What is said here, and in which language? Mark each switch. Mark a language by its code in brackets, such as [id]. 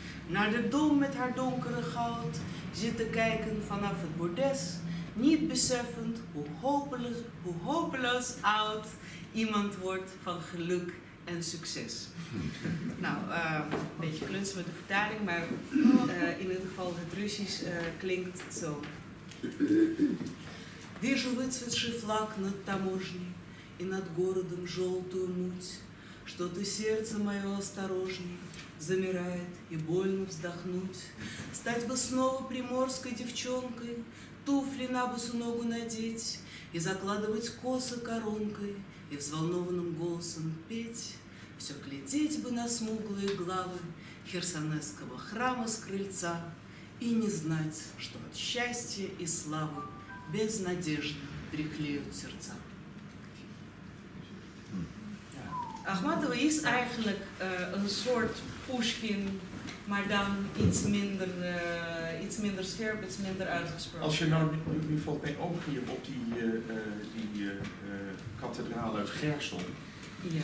[nl] Naar de dom met haar donkere goud, zitten kijken vanaf het bordes, niet beseffend hoe hopeloos oud iemand wordt van geluk en succes. Nou, een beetje klutsen met de vertaling, maar in ieder geval het Russisch klinkt zo. [ru] Вижу выцветший флаг над таможней и над городом желтую муть, что-то сердце мое осторожней замирает и больно вздохнуть. Стать бы снова приморской девчонкой, туфли на босоногу надеть и закладывать косы коронкой и взволнованным голосом петь. Все глядеть бы на смуглые главы Херсонесского храма с крыльца и не знать, что от счастья и славы безнадежно приклеют сердца. [nl] Ахматова is eigenlijk een soort Pushkin, maar dan iets minder scherp, iets minder uitgesproken. Als je nu valt mee ook hier op die kathedraal uit Gersel. Ja.